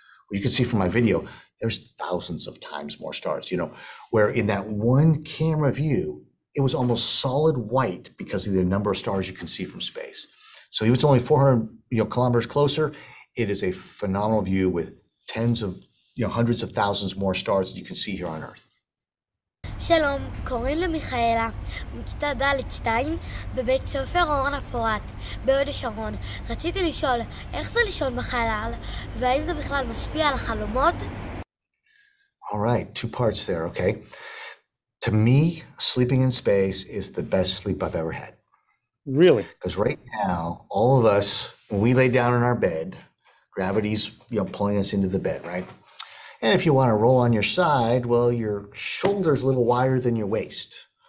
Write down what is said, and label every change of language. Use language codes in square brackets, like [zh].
[en] Well, you can see from my video, there's thousands of times more stars, you know, where in that one camera view, it was almost solid white because of the number of stars you can see from space. So even if it's only 400, you know, kilometers closer, it is a phenomenal view with tens of, you know, hundreds of thousands more stars than you can see here on Earth. [he] שלום, קוראים למיכאלה, מכיתה ד' 2 בבית ספר אורן הפורט, בהוד השרון. רציתי לשאול, איך זה לישון בחלל, והאם זה בכלל משפיע על החלומות? [en] All right, two parts there, okay. To me, sleeping in space is the best sleep I've ever had. Really? Because right now, all of us, when we lay down in our bed, gravity's, you know, pulling us into the bed, right? And if you want to roll on your side, well, your shoulder's a little wider than your waist.